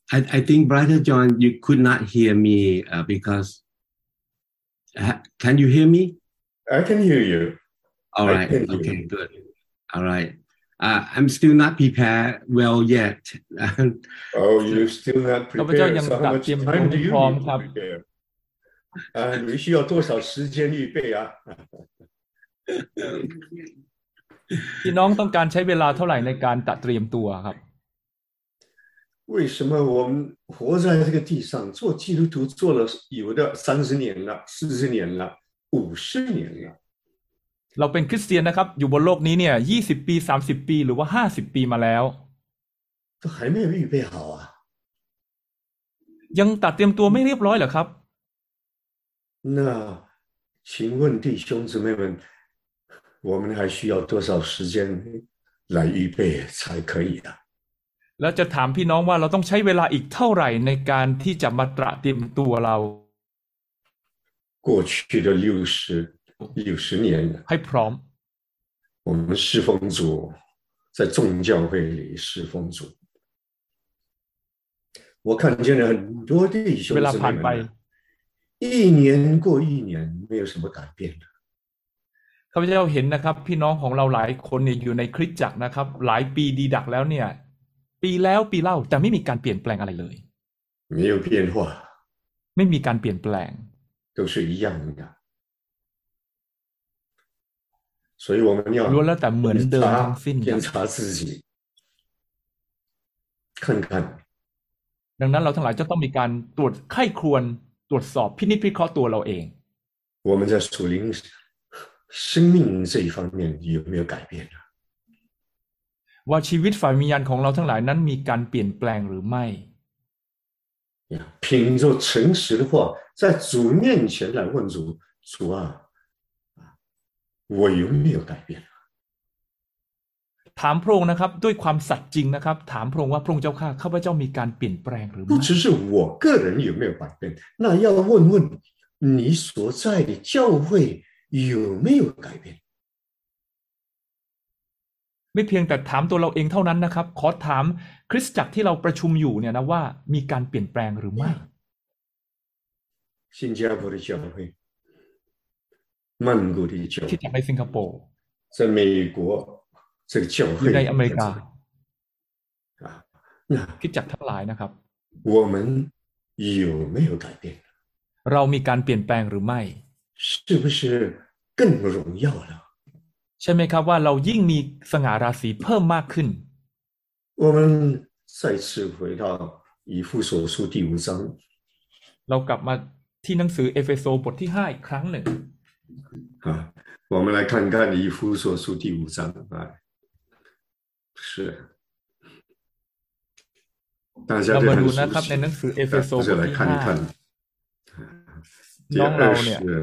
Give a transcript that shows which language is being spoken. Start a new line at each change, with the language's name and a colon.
English: I think Brother John, you could not hear me because can you hear me? I can hear you. All right. Okay. Good. All right. I'm still not prepared well yet. Oh, you're still not prepared. So how much time do you need to prepare?
Chinese: 你需要多少时间预备啊？
Thai: พี่น้องต้องการใช้เวลาเท่าไหร่ในการตัดเตรียมตัวครับ
Chinese: 为什么我们活在这个地上做基督徒做了有的30年了40年了50年了
Thai: เราเป็นคริสเตียนนะครับอยู่บนโลกนี้เนี่ย20ปี30ปีหรือว่า50ปีมาแล้ว
Chinese: 都还没有预备好啊
Thai: ยังตัดเตรียมตัวไม่เรียบร้อยเหรอครับ
Chinese: 那请问弟兄姊妹们我们还需要多少时间来预备才可以啊
Thai: แล้วจะถามพี่น้องว่าเราต้องใช้เวลาอีกเท่าไหร่ในการที่จะมาตระเตรียมตัวเรา
Chinese: 过去的60年
Thai: ให้พร้อม
Chinese: 我们侍奉主在众教会里侍奉主我看见了很多弟兄姊妹
Thai: เวลาผ่านไป
Chinese: 一年过一年没有什么改变的
Thai: ข้าพเจ้าเห็นนะครับพี่น้องของเราหลายคนเนี่ยอยู่ในคริสตจักรนะครับหลายปีดีดักแล้วเนี่ยปีแล้วปีเล่าแต่ไม่มีการเปลี่ยนแปลงอะไรเลย ไม่
Chinese: 有变化
Thai: ไม่มีการเปลี่ยนแปลง
Chinese: 都是一样的所以我们要
Thai: รู้แล้วแต่เหมือนเดิมทั้งสิ้น
Chinese: 检查自己看看
Thai: ดังนั้นเราทั้งหลายจะต้องมีการตรวจไข้ครวนตรวจสอบพินิจพิเคราะห์ตัวเราเอง
Chinese: 我们在属灵生命这一方面有没有改变呢？
Thai: ว่าชีวิตฝ่ายวิญญาณของเราทั้งหลายนั้นมีการเปลี่ยนแปลงหรือไม่
Chinese: 凭着诚实的话在主面前来问主主啊我有没有改变
Thai: ถามพระองค์นะครับด้วยความสัตย์จริงนะครับถามพระองค์ว่าพระองค์เจ้าข้าข้าพเจ้ามีการเปลี่ยนแปลงหรือไม่
Chinese: 不只是我个人有没有改变那要问问你所在的教会有没有改变
Thai: ไม่เพียงแต่ถามตัวเราเองเท่านั้นนะครับขอถามคริสตจักรที่เราประชุมอยู่เนี่ยนะว่ามีการเปลี่ยนแปลงหรือไม่
Chinese: 新加坡的教会，曼谷的教会，在新加坡，在美国这个教会，在美国，那
Thai: คิดจักทั้งหลายนะครับ
Chinese: 我们有没有改变？
Thai: เรามีการเปลี่ยนแปลงหรือไม่
Chinese: ？ 是不是更荣耀了？
Thai: ใช่ไหมครับว่าเรายิ่งมีสง่าราศีเพิ่มมากขึ้น
Chinese: 我们再次回到以弗所书第五章
Thai: เรากลับมาที่หนังสือเอเฟซโซบทที่5อีกครั้งหนึ่ง
Chinese: 我们来看看以弗所书第五章是大家
Thai: เรามาดูนะครับในหนังสือเอเฟซโซบทที่5น้องเราเนี่ย